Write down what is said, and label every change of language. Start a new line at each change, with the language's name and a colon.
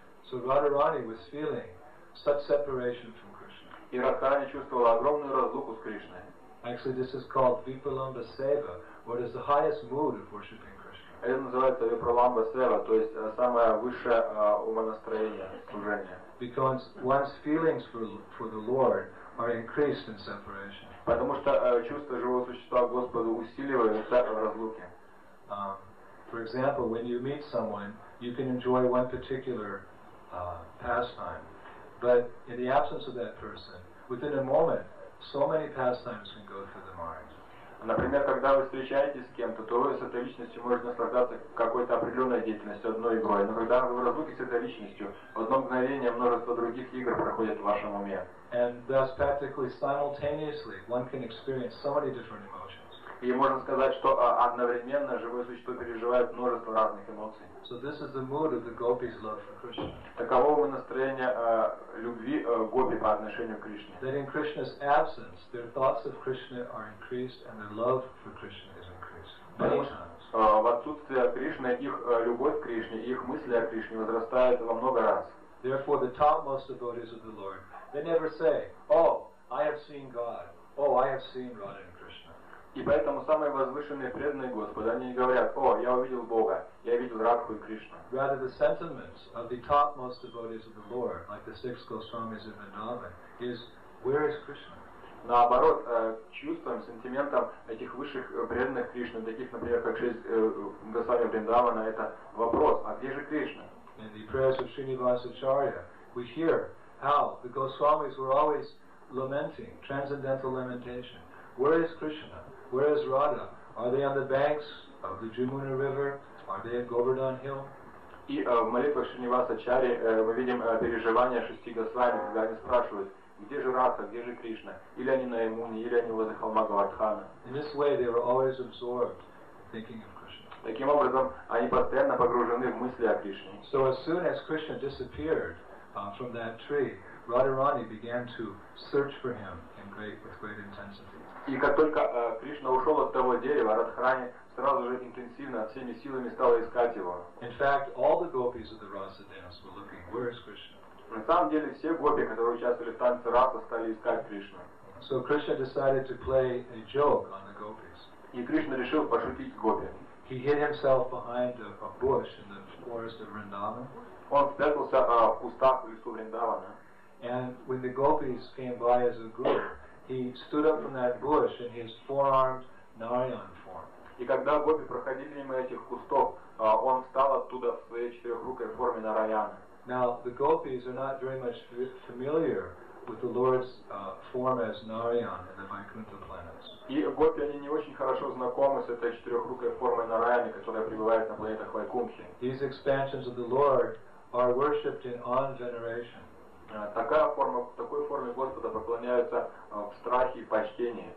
English: So Radharani was feeling such separation from Krishna.
Russian: И Радхарани чувствовала огромную разлуку с Кришной.
English: Actually, this is called Vipalamba Seva, what is the highest mood of worshipping.
Russian: Это называется випраламба сева, то есть самое высшее умонастроение, служение.
English: Because one's feelings for the Lord are increased in separation.
Russian: Потому что чувства живого существа Господу усиливаются в разлуке.
English: For example, when you meet someone, you can enjoy one particular pastime, but in the absence of that person, within a moment, so many pastimes can go through the mind.
Russian: Например, когда вы встречаетесь с кем-то, то вы с этой личностью можете наслаждаться какой-то определенной деятельностью, одной игрой. Но когда вы в разлуке с этой личностью, в одно мгновение множество других игр проходит в вашем уме.
English: And thus, practically simultaneously, one can experience so many different emotions.
Russian: И можно сказать, что одновременно живое существо переживает множество разных эмоций.
English: So this is the mood of the gopi's love for Krishna.
Russian: Таково настроение любви гопи по отношению к Кришне.
English: That in Krishna's absence, their thoughts of Krishna are increased and their love for Krishna is increased.
Russian: В отсутствие Кришны их любовь к Кришне и их мысли о Кришне возрастают во много раз.
English: Therefore, the topmost devotees of the Lord, they never say, "Oh, I have seen God. Oh, I have seen Radha and Krishna."
Russian: И поэтому самые возвышенные преданные Господа, они говорят, о, я увидел Бога, я видел Радху и Кришну.
English: Rather the sentiments of the topmost devotees of the Lord, like the six Goswamis in Vrindavan, is, where is Krishna?
Russian: Наоборот, чувствам, сентиментам этих высших преданных Кришны, таких, например, как шесть Госвами Вриндавана, это вопрос, а где же Кришна?
English: In the prayers of Srinivasacharya, we hear how the Goswamis were always lamenting, transcendental lamentation. Where is Krishna? Where is Radha? Are they on the banks of the Jamuna River? Are they at Govardhan Hill?
Russian: И в молитвах Шринивасачари мы видим переживания шести госвами, когда они спрашивают, где же Радха, где же Кришна? Или они на Ямуне, или они возле холма Говардхана.
English: In this way, they were always absorbed thinking of Krishna.
Russian: Таким образом, они постоянно погружены в мысли о Кришне.
English: So as soon as Krishna disappeared from that tree, Radharani began to search for him with great intensity.
Russian: И как только Кришна ушел от того дерева, Радхарани сразу же интенсивно всеми силами стала искать его.
English: In fact, all the gopis of the Rasa dance were looking, where is Krishna?
Russian: На самом деле все гопи, которые участвовали в танце Раса, стали искать Кришну.
English: So Krishna decided to play a joke on the gopis.
Russian: И Кришна решил пошутить гопи.
English: He hid himself behind a bush in the forest of Vrindavan.
Russian: Он спрятался в кустах в лесу Вриндавана.
English: And when the gopis came by as a group, he stood up from that bush in his four-armed Narayan form.
Russian: И когда гопи проходили мимо этих кустов, он встал оттуда в своей четырехрукой форме Нараяна.
English: Now, the gopis are not very much familiar with the Lord's form as Narayan in the Vaikuntha planets.
Russian: И гопи, они не очень хорошо знакомы с этой четырехрукой формой Нараяны, которая пребывает на планетах Вайкунхи.
English: These expansions of the Lord are worshipped in awe and veneration.
Russian: Такая форма, такой форме Господа поклоняются в страхе и почтении.